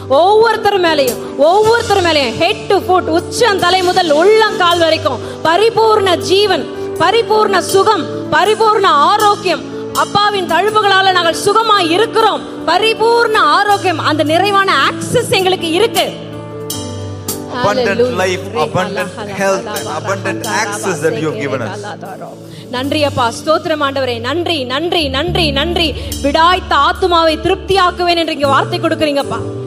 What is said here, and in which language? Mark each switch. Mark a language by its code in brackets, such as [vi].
[ta] ஒவ்வொருத்தர் மேலையும், [en] head to foot, [ta] உச்சம் தலை முதல் உள்ளங்கால் வரைக்கும் பரிபூர்ண ஜீவன், பரிபூர்ண சுகம், பரிபூர்ண ஆரோக்கியம். அப்பாவின் தழுவுகளால நாங்கள் சுகமா இருக்கிறோம். பரிபூர்ண ஆரோக்கியம், அந்த நிறைவான ஆக்சஸ் எங்களுக்கு இருக்கு. [en] Abundant life, abundant health, abundant access that you have given us. [ta] நன்றி அப்பா, ஸ்தோத்திரம் ஆண்டவரே. நன்றி. விடாய்த்த ஆத்துமாவை திருப்தி ஆக்குவேன் என்று இங்க வார்த்தை கொடுக்கறீங்கப்பா.